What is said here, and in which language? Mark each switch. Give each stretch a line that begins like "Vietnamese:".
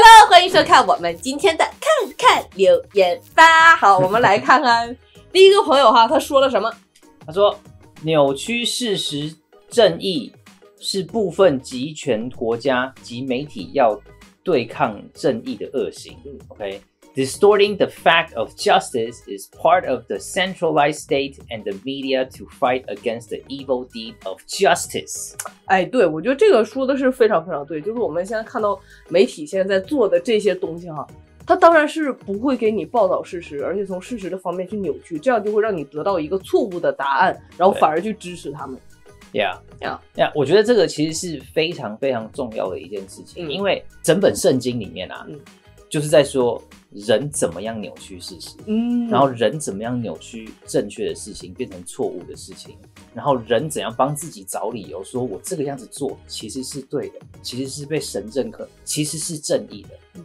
Chinese: 欢迎收看我们今天的看看留言吧。好，我们来看看第一个朋友哈，他说了什么？他说：“扭曲事实正义是部分集权国家及媒体要对抗正义的恶行。 ”OK。
English: Distorting the fact of justice is part of the centralized state and the media to fight against the evil deed of justice.
Chinese: 哎，对，我觉得这个说的是非常非常对，就是我们现在看到媒体现在在做的这些东西哈，它当然是不会给你报道事实，而且从事实的方面去扭曲，这样就会让你得到一个错误的答案，然后反而去支持他们。 Yeah. 我觉得这个其实是非常非常重要的一件事情，因为整本圣经里面啊，就是在说人怎么样扭曲事实，然后人怎么样扭曲正确的事情变成错误的事情，然后人怎样帮自己找理由，说我这个样子做其实是对的，其实是被神认可，其实是正义的。